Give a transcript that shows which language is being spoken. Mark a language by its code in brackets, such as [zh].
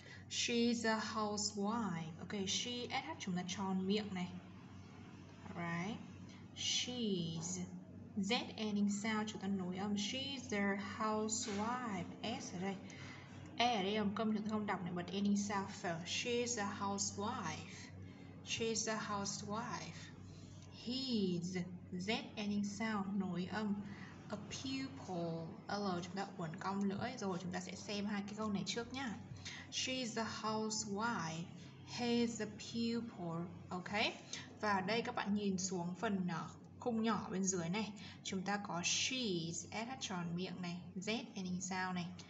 [en] She's a housewife. Ok, she SH [vi] chúng ta tròn miệng này. [en] Alright. She's Z ending sound [vi] chúng ta nối âm. [en] She's a housewife. S [vi] ở đây. E ở đây âm câm chúng ta không đọc này, [en] bật ending sound first. She's a housewife. She's a housewife. He's Z ending sound [vi] nối âm. [en] A pupil. [vi] L chúng ta uốn cong lưỡi. Rồi chúng ta sẽ xem hai cái câu này trước nhá. [en] She's a housewife. He's a pupil. Ok. [vi] Và đây các bạn nhìn xuống phần khung nhỏ bên dưới này. Chúng ta có she's, SH tròn miệng này, Z ending sound này.